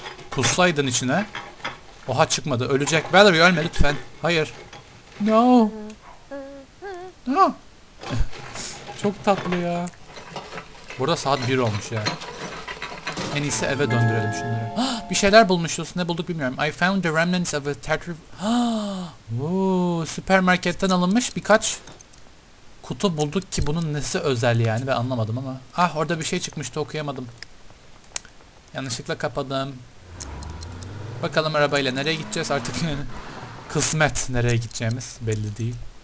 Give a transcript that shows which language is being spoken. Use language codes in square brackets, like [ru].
[tr] Kussaydın içine. Oha, çıkmadı. Ölecek. Valerie ölme lütfen. Hayır. [en] No. No. [tr] Çok tatlı ya. Burada saat 1 olmuş yani. En iyisi eve döndürelim şunları. Bir şeyler bulmuşuz. Ne bulduk bilmiyorum. [en] I found the remnants of a tartar... [tr] süpermarketten alınmış birkaç kutu bulduk ki bunun nesi özel yani, ben anlamadım ama. Ah, orada bir şey çıkmıştı, okuyamadım. Yanlışlıkla kapadım. Bakalım arabayla nereye gideceğiz artık. Kısmet, nereye gideceğimiz belli değil.